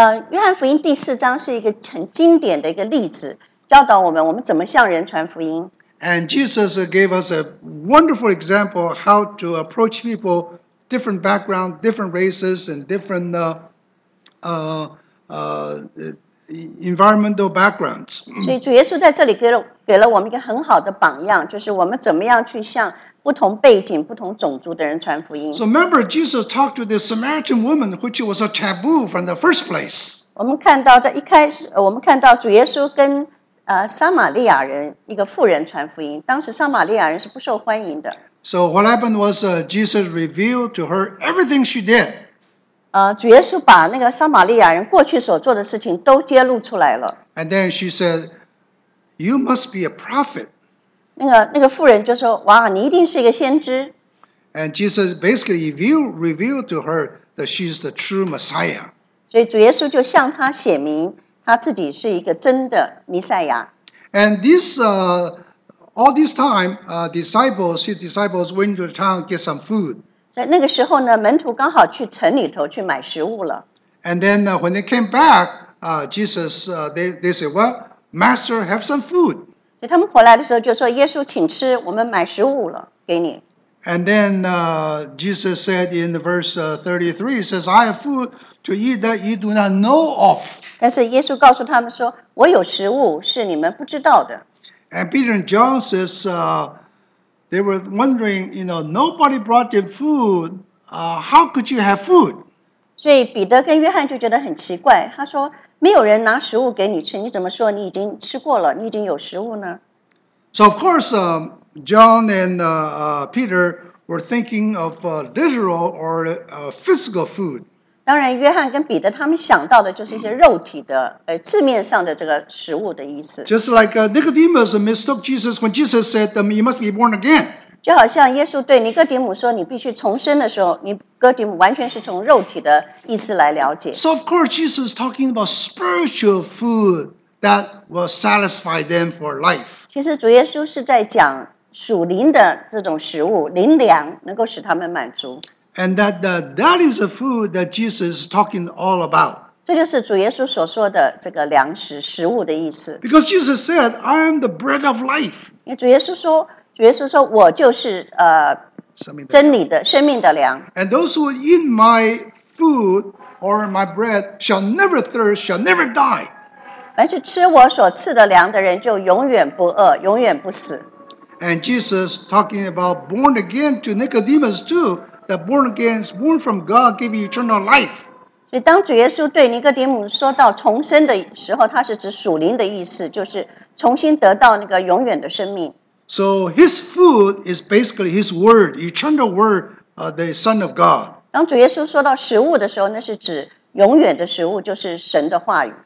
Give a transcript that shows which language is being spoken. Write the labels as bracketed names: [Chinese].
[Chinese] 约翰福音第四章是一个很经典的一个例子，教导我们我们怎么向人传福音。 [English] And Jesus gave us a wonderful example of how to approach people, different background, different races, and different environmental backgrounds. [Chinese] 所以主耶稣在这里给了我们一个很好的榜样，就是我们怎么样去向不同背景、不同种族的人传福音。 [English] So remember, Jesus talked to this Samaritan woman, which was a taboo from the first place. [Chinese] 我们看到在一开始，我们看到主耶稣跟撒玛利亚人一个妇人传福音，当时撒玛利亚人是不受欢迎的。 [English] So what happened was Jesus revealed to her everything she did. [Chinese] 主耶稣把那个撒玛利亚人过去所做的事情都揭露出来了。 [English] And then she said, "You must be a prophet." [Chinese] 那个妇人就说，哇，你一定是一个先知。 [English] And Jesus basically revealed to her that she's the true Messiah. [Chinese] 所以主耶稣就向她显明。他自己是一个真的弥赛亚。 [English] And this, all this time, his disciples went to the town to get some food. [Chinese] 在那个时候呢，门徒刚好去城里头去买食物了。 [English] And then, when they came back, Jesus, they said, "Well, Master, have some food." [Chinese] 所以他们回来的时候就说：“耶稣，请吃，我们买食物了，给你。” [English] And then, Jesus said in verse 33, he says, "I have food to eat that you do not know of." [Chinese] 但是耶稣告诉他们说，我有食物是你们不知道的。 [English] And Peter and John says, they were wondering, you know, nobody brought them food. How could you have food? [Chinese] 所以彼得跟约翰就觉得很奇怪，他说，没有人拿食物给你吃，你怎么说你已经吃过了，你已经有食物呢？ [English] So of course, John and Peter were thinking of literal or physical food. [Chinese] 当然，约翰跟彼得他们想到的就是一些肉体的，字面上的这个食物的意思。 [English] Just like Nicodemus mistook Jesus when Jesus said to him, "You must be born again." [Chinese] 就好像耶稣对尼哥底母说你必须重生的时候，你哥底母完全是从肉体的意思来了解。 [English] So of course, Jesus is talking about spiritual food that will satisfy them for life. [Chinese] 其实主耶稣是在讲属灵的这种食物，灵粮能够使他们满足。 [English] And that, that is the food that Jesus is talking all about. [Chinese] 这就是主耶稣所说的这个粮食、食物的意思。 [English] Because Jesus said, "I am the bread of life." [Chinese] 因为主耶稣说我就是真理的、生命的粮。 [English] And those who eat my food or my bread shall never thirst, shall never die. [Chinese] 凡是吃我所赐的粮的人，就永远不饿，永远不死。 [English] And Jesus talking about born again to Nicodemus too. That born again, born from God, give you eternal life. [Chinese] 所以，当主耶稣对尼哥底母说到重生的时候，他是指属灵的意思，就是重新得到那个永远的生命。 [English] So his food is basically his word, eternal word, the Son of God. [Chinese] 当主耶稣说到食物的时候，那是指永远的食物，就是神的话语。